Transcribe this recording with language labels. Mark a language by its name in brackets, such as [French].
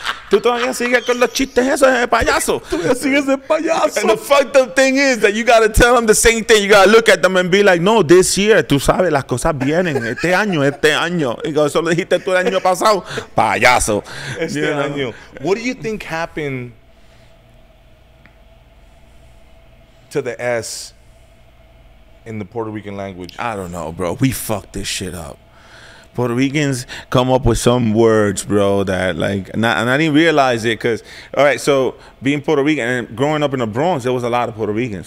[Spanish] Tú todavía sigues con los chistes esos de payaso. [English] And the fucked up thing is that you gotta tell them the same thing. You gotta look at them and be like, no, this year, [Spanish] tú sabes, las cosas vienen. Este año. Y eso lo dijiste tú el año pasado. Payaso. Este año. [English] What do you think happened to the S in the Puerto Rican language? I don't know, bro. We fucked this shit up. Puerto Ricans come up with some words, bro, that, like, and I didn't realize it because, all right, so being Puerto Rican and growing up in the Bronx, there was a lot of Puerto Ricans.